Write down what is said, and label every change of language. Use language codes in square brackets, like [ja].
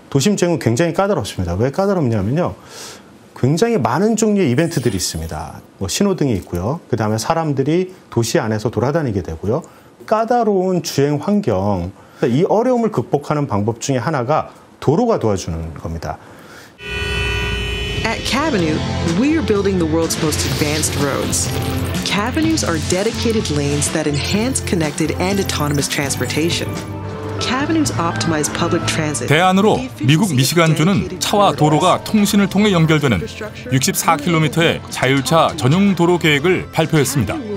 [ko] 도심 주행은 굉장히 까다롭습니다. 왜 까다롭냐면요. 굉장히 많은 종류의 이벤트들이 있습니다. 뭐 신호등이 있고요. 그 다음에 사람들이 도시 안에서 돌아다니게 되고요. 까다로운 주행 환경, 이 어려움을 극복하는 방법 중에 하나가 도로가 도와주는 겁니다. [en] At Cavenew, we are building the world's most advanced roads. Cavenews are dedicated lanes that enhance connected and autonomous transportation. Cavenews optimize public transit. [ko] 대안으로 미국 미시간주는 차와 도로가 통신을 통해 연결되는 64km의 자율차 전용 도로 계획을 발표했습니다.